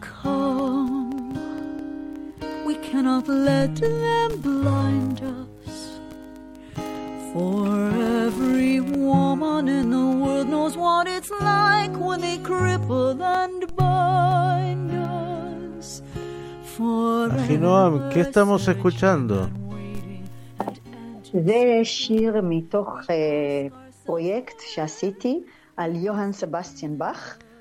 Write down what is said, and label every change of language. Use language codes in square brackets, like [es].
[en] Come, we cannot let them blind us. For every woman in the world knows what it's like when they cripple and bind us. [es] Ahinoam, ¿qué estamos escuchando? [he] זה שיר מתוך פרויקט שעשיתי על יוהאן סבסטיאן באך.